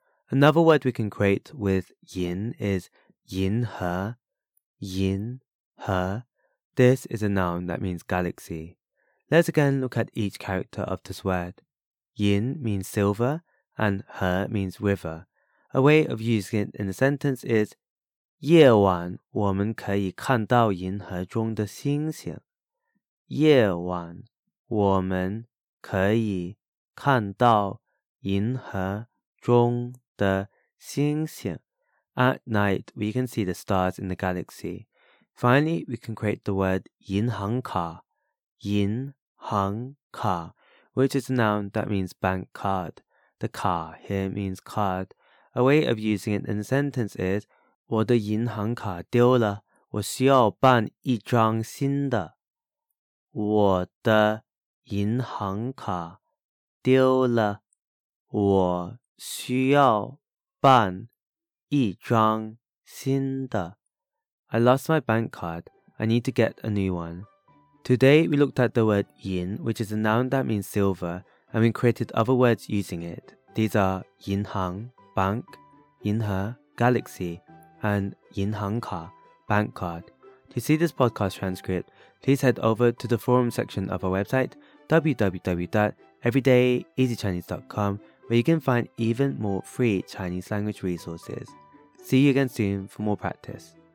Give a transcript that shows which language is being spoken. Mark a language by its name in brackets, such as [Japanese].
[English] Another word we can create with 银 is 银河, 银和, this is a noun that means galaxy. Let's again look at each character of this word. 银 means silver and 河 means river. A way of using it in a sentence is [Chinese] 夜晚我们可以看到银河中的星星。夜晚我们可以看到银河中的星星。 [English] At night, we can see the stars in the galaxy. Finally, we can create the word 银行卡, 银行卡, which is a noun that means bank card. The 卡 here means card. A way of using it in a sentence is [Chinese] 我的银行卡丢了,我需要办一张新的。我的银行卡丢了,我需要办一张新的。 [English] I lost my bank card. I need to get a new one. Today, we looked at the word 银, which is a noun that means silver, and we created other words using it. These are 银行, bank, 银河, galaxy, and 银行卡, bank card. To see this podcast transcript, please head over to the forum section of our website, www.everydayeasychinese.com, where you can find even more free Chinese language resources. See you again soon for more practice.